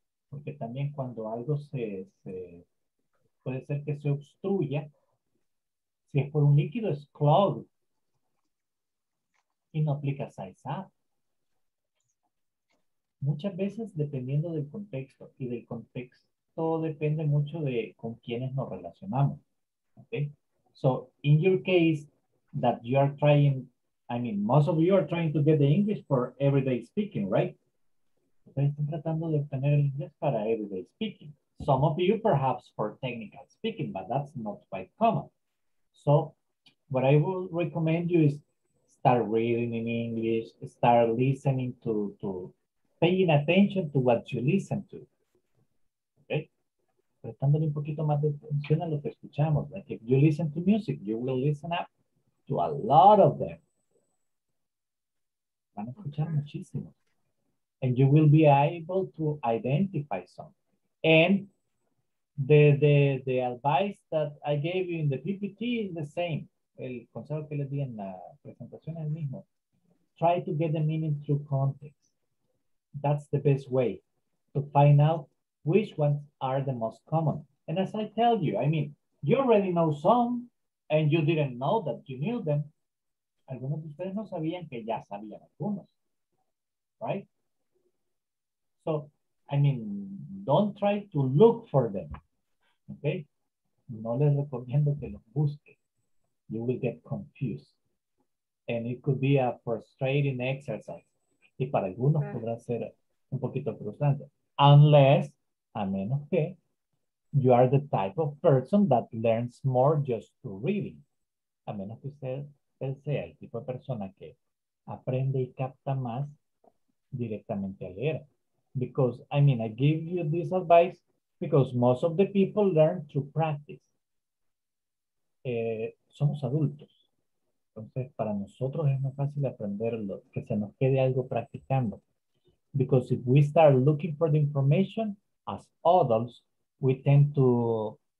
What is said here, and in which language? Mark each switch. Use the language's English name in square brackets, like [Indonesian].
[Spanish] Porque también cuando algo se puede ser que se obstruya, si es por un líquido, es clogged. Y no aplica size up. Muchas veces, dependiendo del contexto, y del contexto depende mucho de con quienes nos relacionamos. Okay? [English] So, in your case, that you are trying, I mean, most of you are trying to get the English for everyday speaking, right? [Spanish] Están tratando de obtener el inglés para [English] everyday speaking. Some of you perhaps for technical speaking, but that's not quite common. So, what I will recommend you is start reading in English, start listening to paying attention to what you listen to. Okay? [Spanish] Prestándole un poquito más de atención a lo que escuchamos. [English] Like if you listen to music, you will listen up to a lot of them. [Spanish] Van a escuchar muchísimo. [English] And you will be able to identify some. And the advice that I gave you in the PPT is the same. [Spanish] El consejo que les di en la presentación es el mismo. [English] Try to get the meaning through context. That's the best way to find out which ones are the most common. And as I tell you, I mean, you already know some and you didn't know that you knew them. [Spanish] Algunos de ustedes no sabían que ya sabían algunos, right? [English] So, I mean, don't try to look for them, okay? [Spanish] No les recomiendo que los busquen. [English] You will get confused. And it could be a frustrating exercise. [Spanish] Y para algunos podrá ser un poquito frustrante. [English] Unless, [Spanish] a menos que, [English] you are the type of person that learns more just through reading. [Spanish] A menos que usted sea el tipo de persona que aprende y capta más directamente a leer. [English] Because, I mean, I give you this advice because most of the people learn through practice. [Spanish] Somos adultos. Entonces, para nosotros es más fácil aprenderlo, que se nos quede algo practicando. [English] Because if we start looking for the information as adults, we tend to...